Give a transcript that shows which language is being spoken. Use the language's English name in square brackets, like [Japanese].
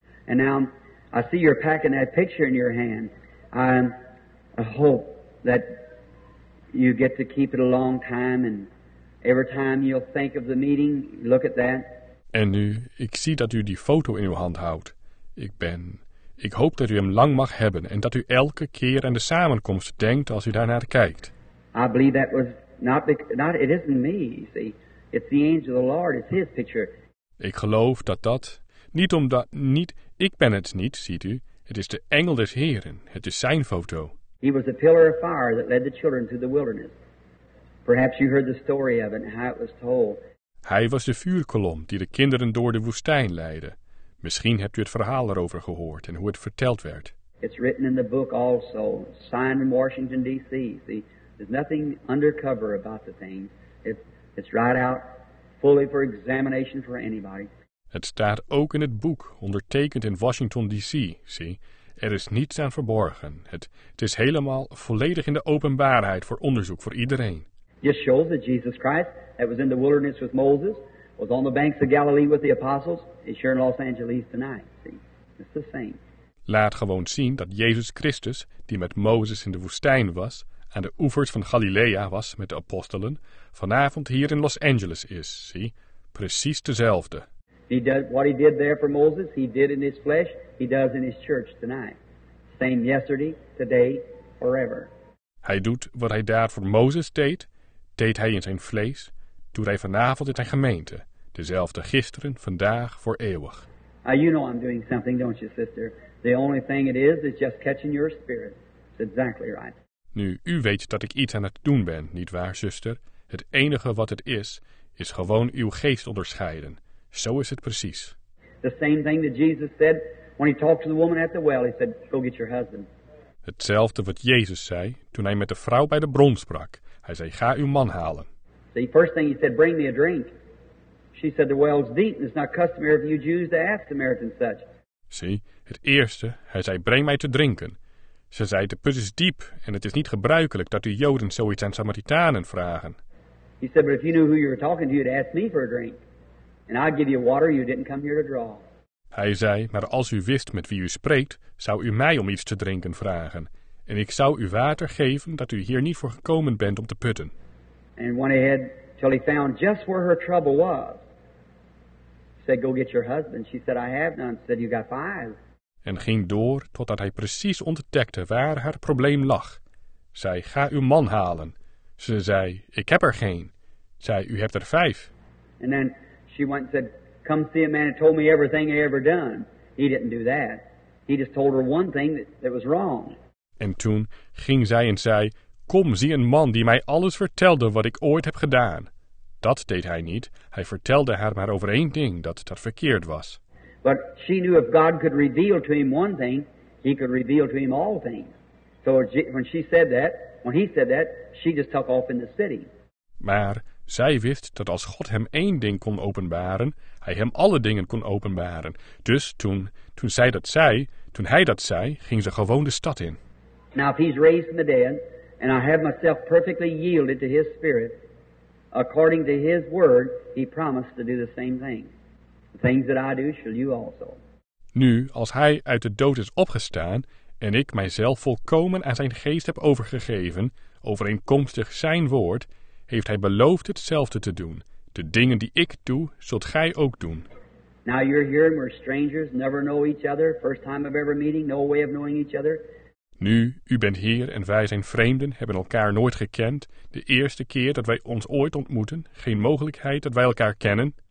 [English] And now, I see you're packing that picture in your hand. I hope that you get to keep it a long time, and every time you'll think of the meeting, look at that. [Dutch] En nu, ik zie dat u die foto in uw hand houdt. Ik hoop dat u hem lang mag hebben en dat u elke keer aan de samenkomst denkt als u daarnaar kijkt. [English] I believe that was not it isn't me, you see. It's the angel of the Lord, it's his picture. [Dutch] Ik geloof dat niet omdat niet ik ben het niet, ziet u. Het is de engel des Heren. Het is zijn foto. [English] He was a pillar of fire that led the children through the wilderness. Perhaps you heard the story of it and how it was told. [Dutch] Hij was de vuurkolom die de kinderen door de woestijn leidde. Misschien hebt u het verhaal erover gehoord en hoe het verteld werd. [English] It's written in the book also, signed in Washington D.C. See, there's nothing undercover about the thing. It's right out, fully for examination for anybody. [Dutch] Het staat ook in het boek, ondertekend in Washington D.C. See, er is niets aan verborgen. Het is helemaal volledig in de openbaarheid voor onderzoek voor iedereen. [English] Just shows that Jesus Christ, that was in the wilderness with Moses, was on the banks of Galilee with the apostles, is here in Los Angeles tonight. See, it's the same. [Dutch] Laat gewoon zien dat Jezus Christus, die met Mozes in de woestijn was, aan de oevers van Galilea was met de apostelen, vanavond hier in Los Angeles is, zie, precies dezelfde. [English] He did what he did there for Moses, he did in his flesh, he does in his church tonight. Same yesterday, today, forever. [Dutch] Hij doet wat hij daar voor Mozes deed, deed hij in zijn vlees, doet hij vanavond in zijn gemeente. Dezelfde gisteren, vandaag, voor eeuwig. [English] You know I'm doing something, don't you, sister? The only thing it is just catching your spirit. It's exactly right. [Dutch] Nu, u weet dat ik iets aan het doen ben, nietwaar, zuster? Het enige wat het is gewoon uw geest onderscheiden. Zo is het precies. [English] The same thing that Jesus said when he talked to the woman at the well. He said, go get your husband. [Dutch] Hetzelfde wat Jezus zei toen hij met de vrouw bij de bron sprak. Hij zei, ga uw man halen. [English] See, first thing he said, bring me a drink. She said, the well's deep and it's not customary for you Jews to ask Samaritans such. [Dutch] See, het eerste, hij zei, breng mij te drinken. Ze zei, de put is diep en het is niet gebruikelijk dat de Joden zoiets aan Samaritanen vragen. [English] He said, but if you knew who you were talking to, you'd ask me for a drink. And I'd give you water you didn't come here to draw. [Dutch] Hij zei, maar als u wist met wie u spreekt, zou u mij om iets te drinken vragen. En ik zou u water geven dat u hier niet voor gekomen bent om te putten. [English] And went ahead till he found just where her trouble was. Said, go get your husband. She said, I have none. Said, you got 5. [Dutch] En ging door totdat hij precies ontdekte waar haar probleem lag. Zei, ga uw man halen. Ze zei, ik heb er geen. Zei, u hebt er 5. [English] And then she went and said, come see a man that told me everything I ever done. He didn't do that. He just told her one thing that was wrong. [Dutch] En toen ging zij en zei, kom, zie een man die mij alles vertelde wat ik ooit heb gedaan. Dat deed hij niet. Hij vertelde haar maar over 1 ding dat verkeerd was. [English] But she knew if God could reveal to him one thing, he could reveal to him all things. So when she said that, when he said that, she just took off in the city. [Dutch] Maar Zij wist dat als God hem één ding kon openbaren, hij hem alle dingen kon openbaren. Dus toen hij dat zei, ging ze gewoon de stad in. [English] Now if he's raised from the dead, and I have myself perfectly yielded to his spirit, according to his word, he promised to do the same thing. The things that I do, shall you also. [Dutch] Nu, als hij uit de dood is opgestaan, en ik mijzelf volkomen aan zijn geest heb overgegeven, overeenkomstig zijn woord, heeft hij beloofd hetzelfde te doen. De dingen die ik doe, zult gij ook doen. [English] Now you're here and we're strangers, never know each other, first time of ever meeting, no way of knowing each other. [Dutch] Nu, u bent hier en wij zijn vreemden, hebben elkaar nooit gekend. De eerste keer dat wij ons ooit ontmoeten, geen mogelijkheid dat wij elkaar kennen.